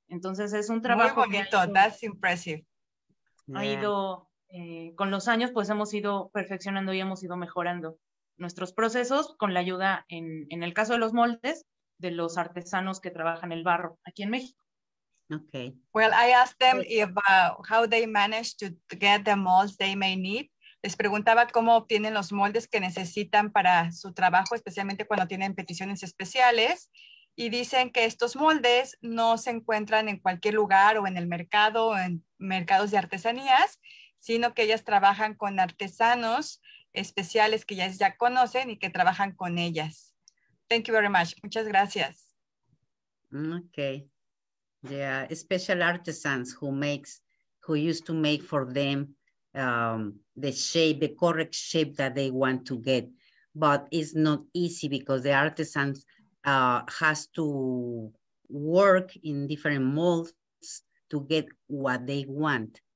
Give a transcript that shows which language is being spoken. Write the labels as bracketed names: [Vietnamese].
[Spanish] Entonces es un trabajo... Muy bonito, [English] that's impressive. [Spanish] Ha ido, con los años, pues hemos ido perfeccionando y hemos ido mejorando nuestros procesos con la ayuda, en el caso de los moldes, de los artesanos que trabajan el barro aquí en México. [English] Okay. Well, I asked them if how they managed to get the molds they may need. [Spanish] Les preguntaba cómo obtienen los moldes que necesitan para su trabajo, especialmente cuando tienen peticiones especiales. Y dicen que estos moldes no se encuentran en cualquier lugar o en el mercado o en mercados de artesanías, sino que ellas trabajan con artesanos especiales que ellas ya conocen y que trabajan con ellas. [English] Thank you very much. [Spanish] Muchas gracias. [English] Okay. Yeah, special artisans who used to make for them the shape, the correct shape that they want to get. But it's not easy because the artisans has to work in different molds to get what they want.